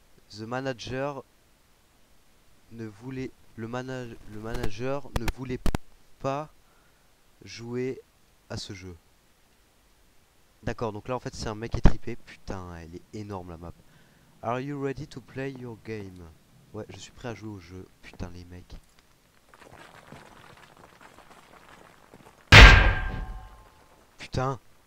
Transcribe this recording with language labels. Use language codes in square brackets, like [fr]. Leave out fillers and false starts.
[fr] The manager ne voulait le manager ne voulait pas jouer à ce jeu. D'accord, donc là en fait c'est un mec qui est trippé. Putain, elle est énorme la map. [en] Are you ready to play your game? [fr] Ouais, je suis prêt à jouer au jeu. Putain, les mecs. Putain.